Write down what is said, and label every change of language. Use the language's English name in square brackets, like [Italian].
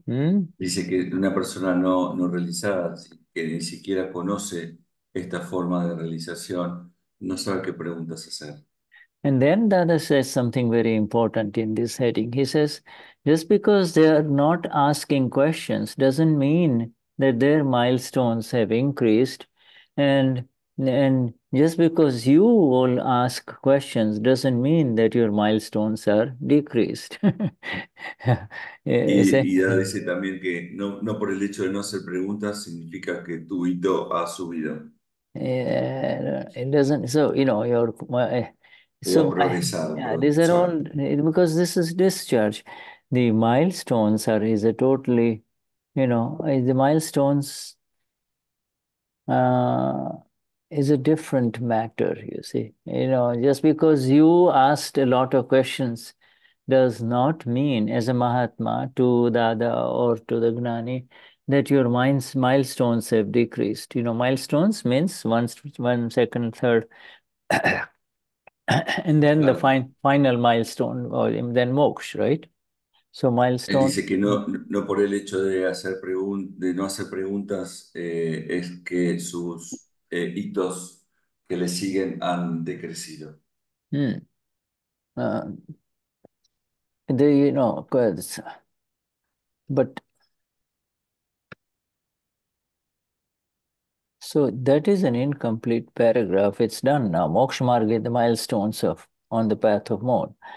[Spanish] Dice que una persona no realizada, que ni siquiera conoce esta forma de realización, no sabe qué preguntas hacer. [English] And then Dada says something very important in this heading. He says, just because they are not asking questions doesn't mean that their milestones have increased. And just because you all ask questions doesn't mean that your milestones are decreased. [Spanish] Y Dada dice también que no por el hecho de no hacer preguntas significa que tu hito ha subido. [English] Yeah, it doesn't, so, you know, your So, these are sorry. all because this is discharge. The milestones are is a totally, you know, the milestones is a different matter, you see. You know, just because you asked a lot of questions does not mean, as a Mahatma to Dada or to the Gnani, that your mind's milestones have decreased. You know, milestones means one second, third. And then the final milestone, or then moksha, right? So milestone. [Spanish] Él dice que no por el hecho de hacer de no hacer preguntas es que sus hitos que le siguen han decrecido. [English] You know, because, but so that is an incomplete paragraph. It's done now. Moksha marga, the milestones of on the path of mod.